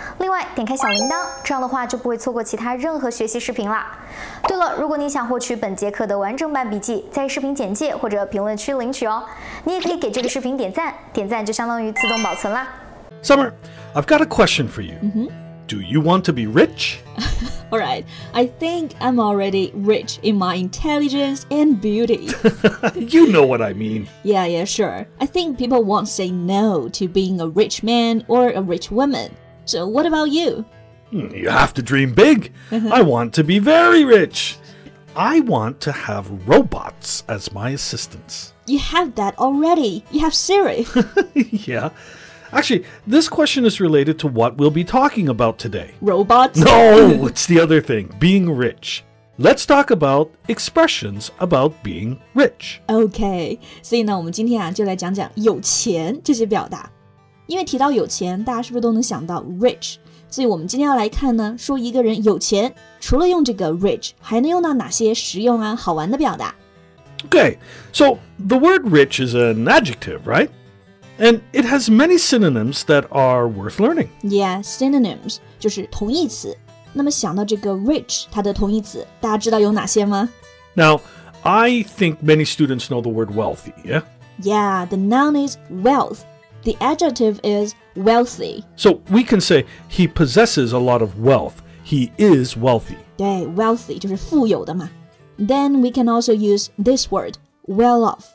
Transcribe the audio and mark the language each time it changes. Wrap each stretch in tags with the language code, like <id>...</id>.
<zh>另外，点开小铃铛，这样的话就不会错过其他任何学习视频啦。对了，如果你想获取本节课的完整版笔记，在视频简介或者评论区领取哦。你也可以给这个视频点赞，点赞就相当于自动保存啦。</zh> <en>Summer, I've got a question for you. Mm-hmm. Do you want to be rich? All right, I think I'm already rich in my intelligence and beauty. You know what I mean. Yeah, sure. I think people won't say no to being a rich man or a rich woman. So what about you? You have to dream big. Mm-hmm. I want to be very rich. I want to have robots as my assistants. You have that already. You have Siri. Yeah. Actually, this question is related to what we'll be talking about today. Robots? No, it's the other thing, being rich. Let's talk about expressions about being rich.</en> <zh>Okay, 所以呢我们今天啊就来讲讲有钱这些表达。因为提到有钱，大家是不是都能想到 rich? 所以我们今天要来看呢，说一个人有钱，除了用这个 rich, 还能用到哪些实用啊好玩的表达。</zh> <en>Okay, so the word rich is an adjective, right? And it has many synonyms that are worth learning. Yeah, synonyms,</en> <zh>就是同义词。那么想到这个 rich, 它的同义词，大家知道有哪些吗？</zh> <en>Now, I think many students know the word wealthy, yeah? Yeah, the noun is wealth. The adjective is wealthy. So we can say, he possesses a lot of wealth. He is wealthy.</en> <zh>对 wealthy 就是富有的嘛。</zh> <en>Then we can also use this word, well off.</en>